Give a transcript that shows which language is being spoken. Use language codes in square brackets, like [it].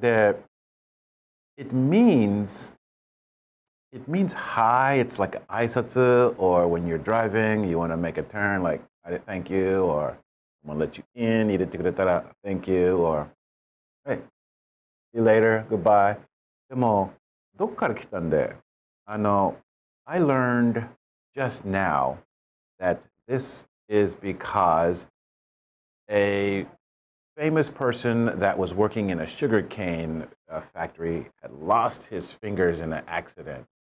[en] で、it means hi, it's like 挨拶, or when you're driving, you want to make a turn, like, thank you, or I'm going to let you in, [ja] 入れてくれたら [en] thank you, or hey, see you later, goodbye. [ja] でも、どこから来たんで? [en] I learned just now that this is because a famous person that was working in a sugarcane factory had lost his fingers in an accident.